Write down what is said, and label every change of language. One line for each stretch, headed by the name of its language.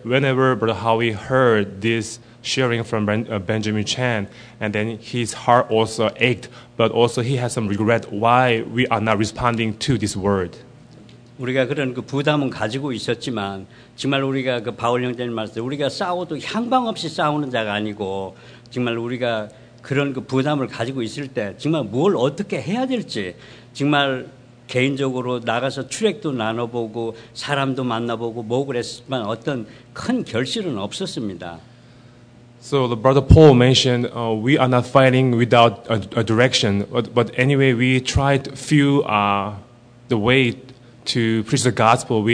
English: Whenever Brother Howie heard this sharing from Benjamin Chan, and then his heart also ached, but also he has some regret why we are not responding to this word.
Korean: 우리가 그런 그 부담은 가지고 있었지만 정말 우리가 그 바울 형제님 말씀 우리가 싸워도 향방 없이 싸우는 자가 아니고 정말 우리가 그런 그 부담을 가지고 있을 때 정말 뭘 어떻게 해야 될지 정말 개인적으로 나가서 출액도 나눠보고 사람도 만나보고 뭐 그랬지만 어떤 큰 결실은 없었습니다.
English: So the brother Paul mentioned we are not fighting without a direction, but anyway we tried a few the way to preach the gospel.